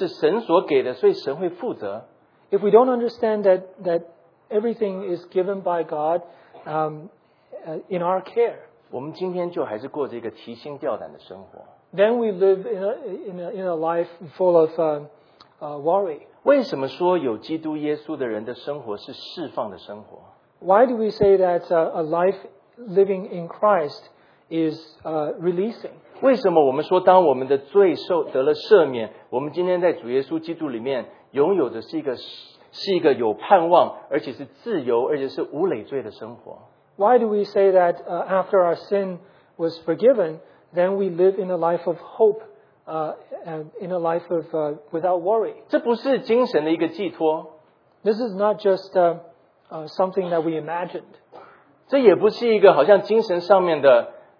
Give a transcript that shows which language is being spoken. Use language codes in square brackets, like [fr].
[zh] 如果我们不了解这一切都是神所赐的，是神所给的，所以神会负责。 [en] If we don't understand that everything is given by God in our care. [zh] 我们今天就还是过着一个提心吊胆的生活。 [en] Then we live in a life full of worry. [zh] 为什么说有基督耶稣的人的生活是释放的生活？ [en] Why do we say that a life living in Christ is releasing? [zh] 为什么我们说当我们的罪受得了赦免，我们今天在主耶稣基督里面拥有的是一个有盼望，而且是自由，而且是无累罪的生活？ [en] Why do we say that after our sin was forgiven, then we live in a life of hope, in a life of without worry? [zh] 这不是精神的一个寄托。 [en] This is not just something that we imagined. [zh] 这也不是一个好像精神上面的。